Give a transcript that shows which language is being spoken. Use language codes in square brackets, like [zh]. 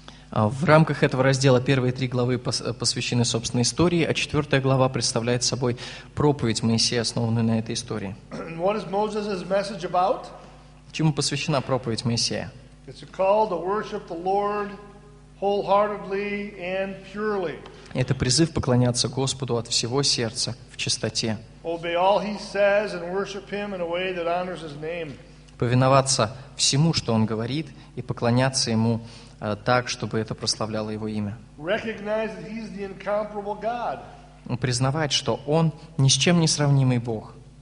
[ru] В рамках этого раздела первые три главы посвящены собственной истории, а четвертая глава представляет собой проповедь Моисея, основанную на этой истории. [en] What is Moses's message about? [ru] Чему посвящена проповедь Моисея? [en] It's a call to worship the Lord wholeheartedly and purely. [ru] Это призыв поклоняться Господу от всего сердца в чистоте. [en] Obey all he says and worship him in a way that honors his name. [ru] Повиноваться всему, что он говорит, и поклоняться ему так, чтобы это прославляло Его имя. Признавать, что Он ни с чем не сравнимый Бог.